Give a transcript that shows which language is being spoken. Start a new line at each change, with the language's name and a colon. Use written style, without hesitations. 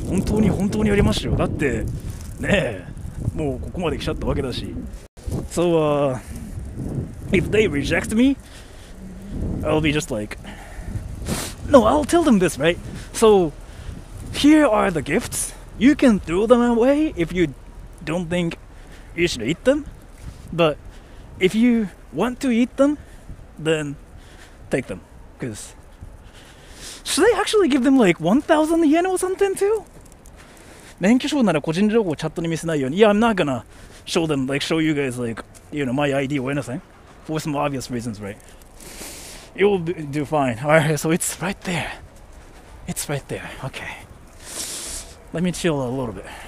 Japanese: 本当に本当にありましたよ。だってねえ、もうここまで来ちゃったわけだし。
English: So, if they reject me, I'll be just like, no, I'll tell them this, right? So, here are the gifts. You can throw them away if you don't think you should eat them. But if you want to eat them, then take them. Because, should they actually give them like 1,000 yen or something too?
Japanese: 免許証なら個人情報をチャットに見せないように。
English: Yeah, I'm not gonna... show them, like, show you guys, like, you know, my ID or anything. For some obvious reasons, right? It will do fine. Alright, so it's right there. It's right there. Okay. Let me chill a little bit.